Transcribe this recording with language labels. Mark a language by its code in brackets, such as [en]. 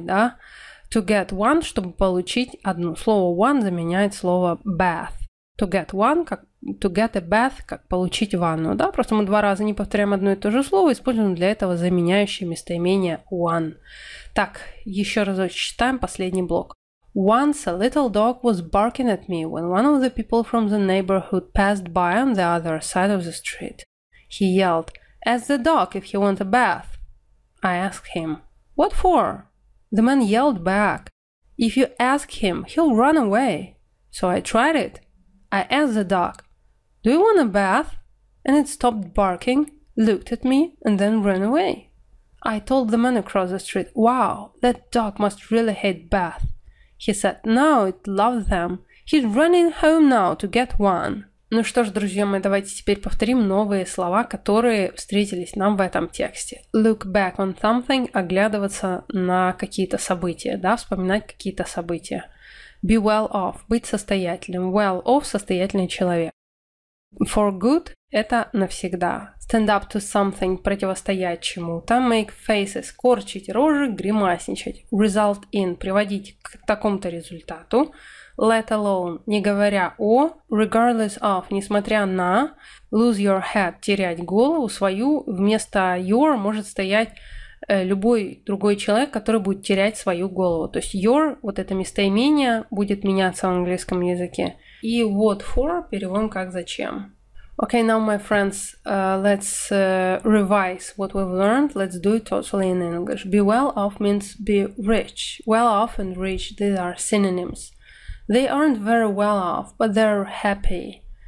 [ru] Да? [en] To get one, [ru] чтобы получить одну. Слово one заменяет слово bath. [en] To get one, как to get a bath, [ru] как получить ванну, да? Просто мы два раза не повторяем одно и то же слово, используем для этого заменяющее местоимение one. Так, еще раз читаем последний блок. [en] Once a little dog was barking at me when one of the people from the neighborhood passed by on the other side of the street. He yelled, ask the dog if he wants a bath. I asked him, what for? The man yelled back, if you ask him, he'll run away. So I tried it. I asked the dog, do you want a bath? And it stopped barking, looked at me, and then ran away. I told the man across the street, wow, that dog must really hate bath. He said, no, it loves them. He's running home now to get one. [ru] Ну что ж, друзья мои, давайте теперь повторим новые слова, которые встретились нам в этом тексте. [en] Look back on something, [ru] оглядываться на какие-то события, да, вспоминать какие-то события. [en] Be well off, [ru] быть состоятельным. [en] Well off – [ru] состоятельный человек. [en] For good – [ru] это навсегда. [en] Stand up to something – [ru] противостоять чему-то. [en] Make faces [ru] – корчить рожи, гримасничать. [en] Result in [ru] – приводить к такому-то результату. [en] Let alone [ru] – не говоря о. [en] Regardless of [ru] – несмотря на. [en] Lose your head [ru] – терять голову свою. Вместо your может стоять любой другой человек, который будет терять свою голову. То есть your, вот это местоимение, будет меняться в английском языке. И what for переводим как зачем. [en] Okay, now my friends, let's revise what we've learned. Let's do it totally in English. Be well off means be rich. Well off and rich, these are synonyms. They aren't very well off, but they're happy.